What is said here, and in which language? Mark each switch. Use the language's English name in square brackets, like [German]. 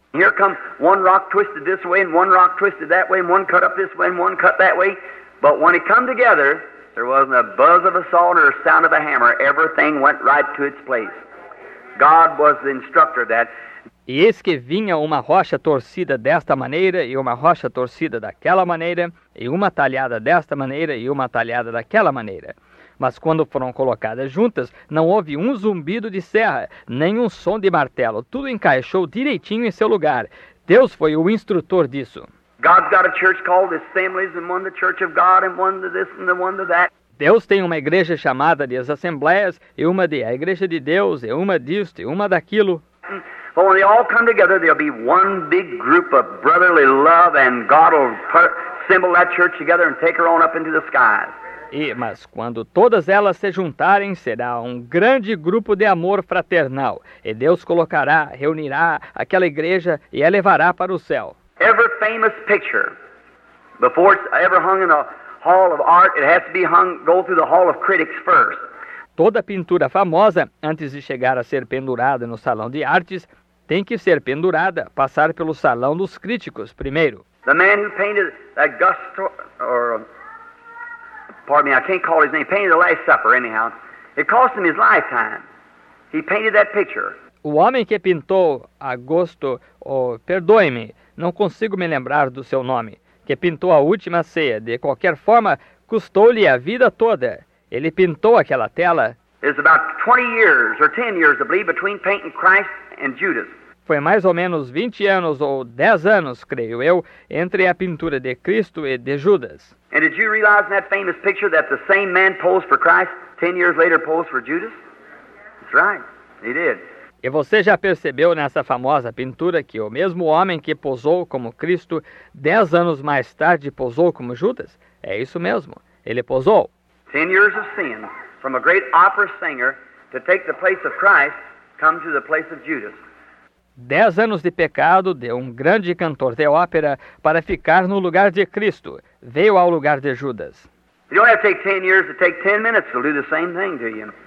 [English] Here comes one rock twisted this way and one rock twisted that way and one cut up this way and one cut that way. But when it come together, there wasn't a buzz of a saw or a sound of a hammer. Everything went right to its place. God was the instructor that. [Portuguese] E eis que vinha uma rocha torcida desta maneira e uma rocha torcida daquela maneira e uma talhada desta maneira e uma talhada daquela maneira. Mas quando foram colocadas juntas, não houve um zumbido de serra, nem um som de martelo. Tudo encaixou direitinho em seu lugar. Deus foi o instrutor disso. [English] God's got a church called Assemblies, and one the Church of God, and one the this and the one the that. [Portuguese] Deus tem uma igreja chamada de as Assembleias, e uma de a Igreja de Deus, e uma disto, e uma daquilo. [English] But when they all come together, there'll be one big group of brotherly love, and God will assemble that church together and take her on up into the skies. [Portuguese] Mas quando todas elas se juntarem, será um grande grupo de amor fraternal, e Deus colocará, reunirá aquela igreja e a levará para o céu. [English] Every famous picture, before it's ever hung in a hall of art, it has to be hung, go through the hall of critics first. [Portuguese] Toda pintura famosa, antes de chegar a ser pendurada no salão de artes, tem que ser pendurada, passar pelo salão dos críticos primeiro. [English] The man who painted Augusto, or, pardon me, I can't call his name, painted the Last Supper, anyhow. It cost him his lifetime. He painted that picture. [Portuguese] O homem que pintou Augusto, perdoe-me, não consigo me lembrar do seu nome, que pintou a última ceia. De qualquer forma, custou-lhe a vida toda. Ele pintou aquela tela. [English] It's about 20 years or 10 years, I believe, between painting Christ and Judas. [Portuguese] Foi mais ou menos 20 anos ou 10 anos, creio eu, entre a pintura de Cristo e de Judas. [English] And did you realize in that famous picture that the same man posed for Christ 10 years later posed for Judas? That's right. He did. [Portuguese] E você já percebeu nessa famosa pintura que o mesmo homem que posou como Cristo, 10 anos mais tarde posou como Judas? É isso mesmo, ele posou. [English] 10 years of sin, from a great opera singer, to take the place of Christ, come to the place of Judas. [Portuguese] 10 anos de pecado de um grande cantor de ópera para ficar no lugar de Cristo, veio ao lugar de Judas. [English] You don't have to take 10 years, to take 10 minutes, it'll do the same thing to you.